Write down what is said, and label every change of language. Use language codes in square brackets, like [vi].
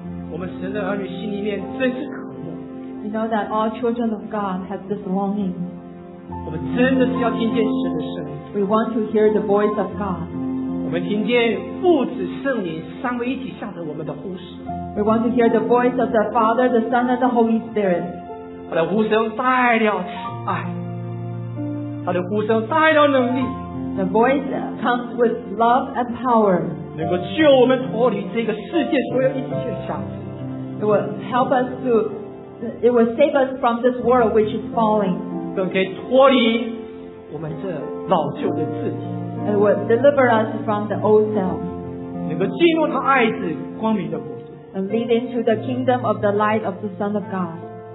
[zh] 我们神的儿女心里面真是渴慕。 [en] You know that all children of God have this longing. [zh] 我们真的是要听见神的声音。 [en] We want to hear the voice of God. [zh] 我们听见父子圣灵三位一体下的我们的呼声。 [en] We want to hear the voice of the Father, the Son, and the Holy Spirit. [zh] 他的呼声带了慈爱，他的呼声带了能力。 [en] The voice comes with love and power. [zh] 能够救我们脱离这个世界所有一切的辖制。 [en] It will help us to, it will save us from this world which is falling. [zh] 更可以脱离我们这老旧的自己。 [en] It will deliver us from the old self. [zh] 能够进入他爱子光明的国度。 [en] And lead into the kingdom of the light of the Son of God.